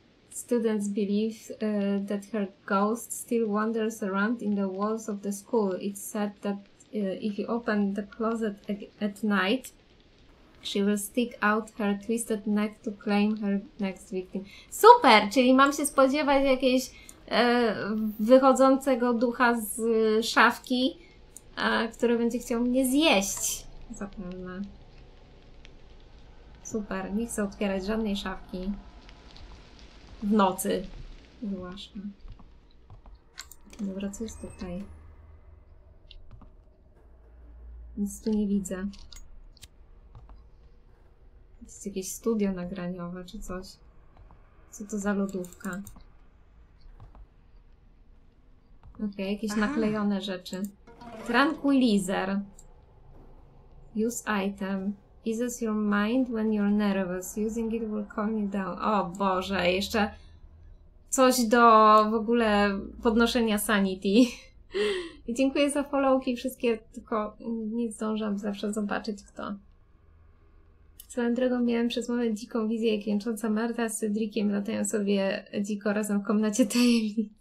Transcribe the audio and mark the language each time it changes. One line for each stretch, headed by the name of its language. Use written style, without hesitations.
English: Students believe that her ghost still wanders around in the walls of the school. It's said that if you open the closet at night, she will stick out her twisted neck to claim her next victim.
Polish: Super! Czyli mam się spodziewać jakiejś wychodzącego ducha z szafki, który będzie chciał mnie zjeść. Zapewne. Super, nie chcę otwierać żadnej szafki. W nocy. Właśnie. Dobra, co jest tutaj? Nic tu nie widzę. To jest jakieś studio nagraniowe czy coś. Co to za lodówka? Okej, okay, jakieś naklejone rzeczy.
English: Tranquilizer. Use item. Eases your mind when you're nervous. Using it will calm you down.
Polish: O Boże, jeszcze coś do w ogóle podnoszenia sanity. I dziękuję za followki wszystkie, tylko nie zdążam zawsze zobaczyć kto. Swoją drogą miałem przez moment dziką wizję, jak jęcząca Marta z Cedriciem latają sobie dziko razem w komnacie tajemnic.